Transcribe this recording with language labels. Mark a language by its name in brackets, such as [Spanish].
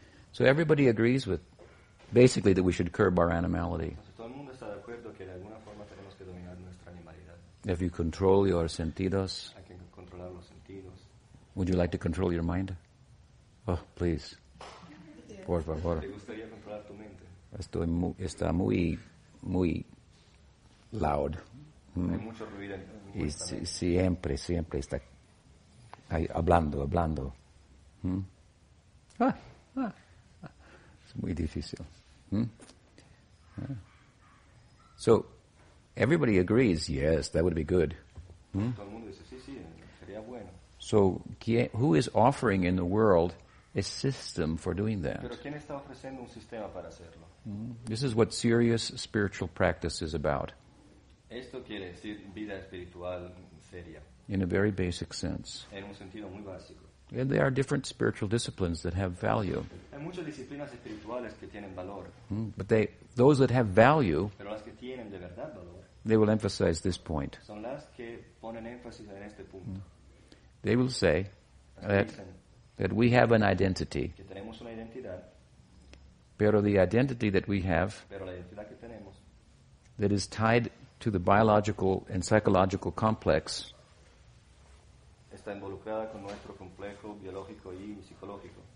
[English] So everybody agrees with basically that we should curb our animality. [Spanish] Todo el mundo está de acuerdo que de alguna forma tenemos que dominar nuestra animalidad. [English] If you control your sentidos, [Spanish] hay que controlar los sentidos, [English] would you like to control your mind? Oh, please. [Spanish] Por favor. ¿Te gustaría controlar tu mente? Está muy, muy loud. Hay mucho ruido en y siempre, siempre está hablando. Es muy difícil. [English] So, everybody agrees, yes, that would be good. [Spanish] Todo el mundo dice, sí, sí, sería bueno. [English] So, who is offering in the world a system for doing that? [Spanish] Pero ¿quién está ofreciendo un sistema para hacerlo? [English] This is what serious spiritual practice is about. [Spanish] Esto quiere decir vida espiritual seria. [English] In a very basic sense. [Spanish] En un sentido muy básico. [English] And there are different spiritual disciplines that have value. [Spanish] Hay muchas disciplinas espirituales que tienen valor. [English] But those that have value, [Spanish] pero las que tienen de verdad valor, [English] they will emphasize this point. [Spanish] Son las que ponen énfasis en este punto. [English] They will say that we have an identity. [Spanish] Que tenemos una identidad, [English] pero the identity that we have, [Spanish] pero la identidad que tenemos, [English] that is tied to the biological and psychological complex, [Spanish] está involucrada con nuestro complejo biológico y psicológico,